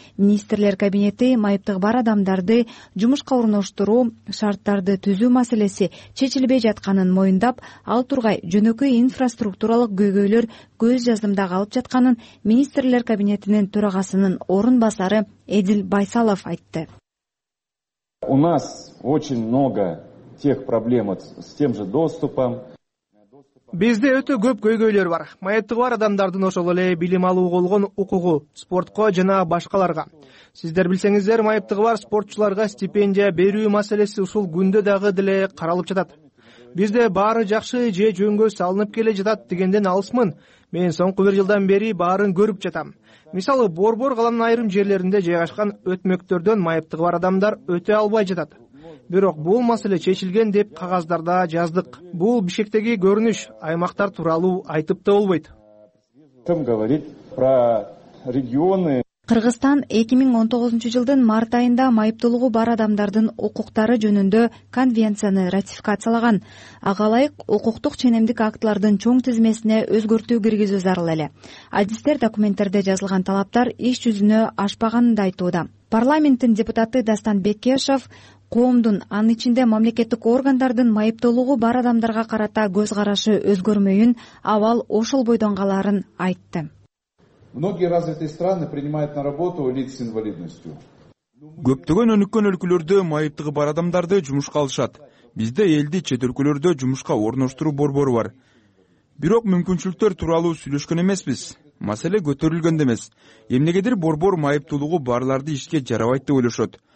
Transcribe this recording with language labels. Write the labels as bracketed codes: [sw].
[ky] Министрлер кабинети майыптыгы бар адамдарды жумушка орноштуруу, шарттарды түзүү маселеси чечилбей жатканын моюндап, ал тургай жөнөкөй инфраструктуралык көйгөйлөр көз жазымда калып жатканын министрлер кабинетинин төрагасынын орун басары Эдил Байсалов айтты. [ru] У нас очень много тех проблем с тем же доступом. [ky] Бизде өтө көп көйгөйлөр бар. Маектиги бар адамдардын ошол эле билим алууга болгон укугу, спортко жана башкаларга. Сиздер билсеңиздер, маектиги бар спортчуларга стипендия берүү маселеси ушул күндө дагы деле каралып жатат. Бизде баары жакшы же жөнгө салынып келе жатат дегенден алысмын. Мен соңку бир жылдан бери баарын көрүп жатам. Мисалы, Борбор каланын айрым жерлеринде жайгашкан өтмөктөрдөн маектиги бар адамдар өтө албай жатат. Бирок бул маселе чечилген деп кагаздарда жаздык. Бул Бишкектеги көрүнүш, аймактар тууралуу айтып да болбойт. [ru] Ким говорит про регионы? [ky] Кыргызстан 2019 жылдын март айында майыптуулугу бар адамдардын укуктары жөнүндө конвенцияны ратификациялаган. Ага ылайык, укуктук ченемдик актылардын чоң тизмесине өзгөртүү киргизүү зарыл эле. Адистер документтерде жазылган талаптар иш жүзүнө ашпаганын да айтууда. Парламенттин депутаты Дастан Бекешев коомдун, анын ичинде мамлекеттик органдардын майыптуулугу бар адамдарга карата көз карашы өзгөрмөйүн, абал ошол бойдон калаарын айтты. [ru] Многие развитые страны принимают на работу лиц с инвалидностью. [ky] Көптөгөн өнүккөн өлкөлөрдө майыптыгы бар адамдарды жумушка алышат. Бизде элди чет өлкөлөрдө жумушка орноштуруу борбору бар. Бирок мүмкүнчүлүктөр тууралуу сүйлөшкөн эмеспиз. Маселе көтөрүлгөндө эмес. Эмнегедир борбор майыптуулугу барларды ишке жарабайт деп ойлошот.